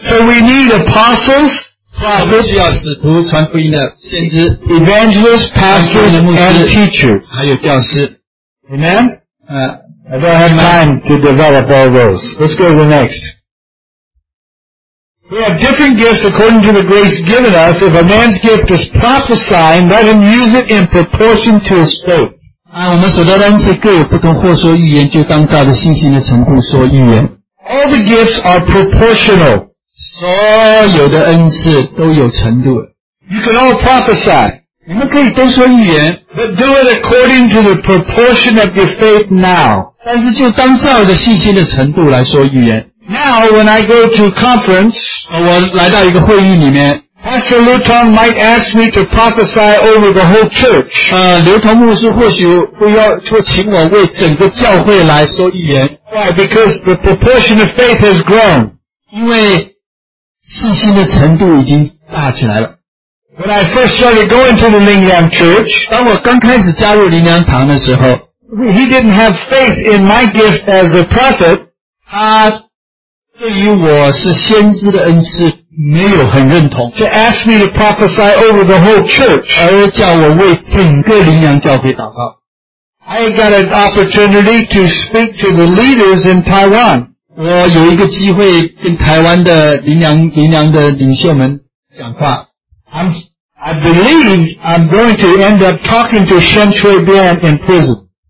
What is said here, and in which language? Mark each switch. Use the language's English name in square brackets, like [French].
[English] So we need apostles, prophets, [Chinese] 需要使徒传福音的先知 [English] evangelists, pastors, and teachers, [Chinese] 还有教师。 [English] Amen? I don't have time to develop all those. Let's go to the next. We have different gifts according to the grace given us. If a man's gift is prophesying, let him use it in proportion to his faith. [Chinese] 我们所得的恩赐各有不同，或说预言，就当照着信心的程度说预言。 [English] All the gifts are proportional. [Chinese] 所有的恩赐都有程度。 [English] You can all prophesy. [Chinese] 你们可以都说预言。 [English] But do it according to the proportion of your faith now. [Chinese] 但是就当照着信心的程度来说预言。 [English] Now, when I go to conference, [Chinese] 我来到一个会议里面， [English] Pastor Luton might ask me to prophesy over the whole church. [Chinese] 刘同牧师或许会请我为整个教会来说预言。 [English] Why? Because the proportion of faith has grown. [Chinese] 因为信心的程度已经大起来了。 [English] When I first started going to the Lingyang Church, [Chinese] 当我刚开始加入灵粮堂的时候， [English] he didn't have faith in my gift as a prophet. [Chinese] 他对于我是先知的恩赐没有很认同。 [English] To ask me to prophesy over the whole church. [Chinese] 而叫我为整个灵粮教会祷告。 [English] I got an opportunity to speak to the leaders in Taiwan. [Chinese] 我有一个机会跟台湾的灵粮的领袖们讲话。 [English] I believe I'm going to end up talking to Shen Chui Bian in prison.